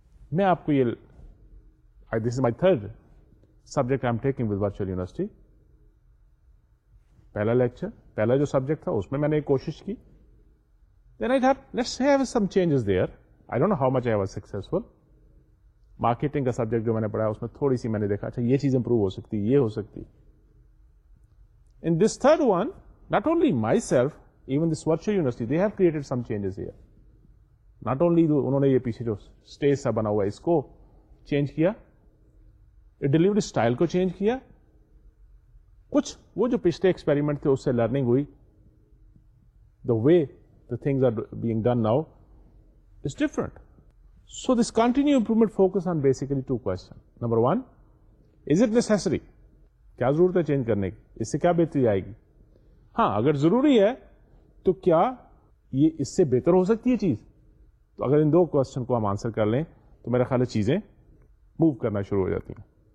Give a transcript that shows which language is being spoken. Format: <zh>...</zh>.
<ur>Main aapko ye,</ur> <en>this is my third subject I'm taking with virtual university.</en> <ur>پہلا lecture, پہلا جو subject تھا اس میں نے ایک کوشش کی.</ur> <en>Then I thought let's have some changes there. I don't know how much I was successful.</en> <ur>Marketing کا سبجیکٹ جو میں نے پڑھا اس میں تھوڑی سی میں نے دیکھا, اچھا یہ چیز امپروو ہو سکتی, یہ ہو سکتی.</ur> <en>In this third one not only myself, even this virtual university they have created some changes here.</en> <ur>Not only انہوں نے یہ پیچھے جو اسٹیج سا بنا ہوا اس کو چینج کیا, ڈلیوری اسٹائل کو چینج کیا, کچھ وہ جو پچھلے ایکسپیریمنٹ تھے اس سے لرننگ ہوئی.</ur> <en>The way the things are being done now is different. So this continue improvement focus on basically two question. Number one, is it necessary,</en> <ur>کیا ضرورت ہے چینج کرنے کی, اس سے کیا بہتری آئے گی. ہاں اگر ضروری ہے تو کیا یہ اس سے بہتر ہو سکتی ہے چیز. تو اگر ان دو کوشچن کو ہم آنسر کر لیں تو میرا خیال ہے چیزیں موو کرنا شروع ہو جاتی ہیں.</ur>